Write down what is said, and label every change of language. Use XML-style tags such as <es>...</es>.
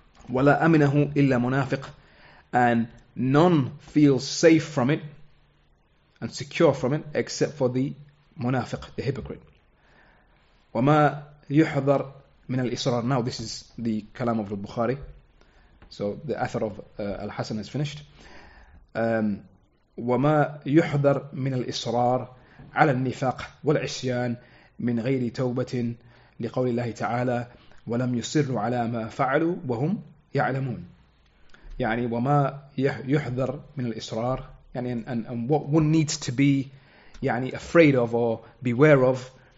<ar>ولا أمنه إلا منافق</ar> <en>and none feels safe from it and secure from it except for the منافق, the hypocrite.</en> <ar>وما يحضر من الإصرار.</ar> <en>Now this is the kalam of al-Bukhari. So the author of al-Hasan has finished.</en> <ar>وما يحذر من الإصرار على النفاق والعصيان من غير توبة لقول الله تعالى ولم يصروا على ما فعلوا وهم يعلمون. يعني وما يحذر من الإصرار.</ar> <en>يعني and what one needs to be, يعني afraid of or beware of.</en>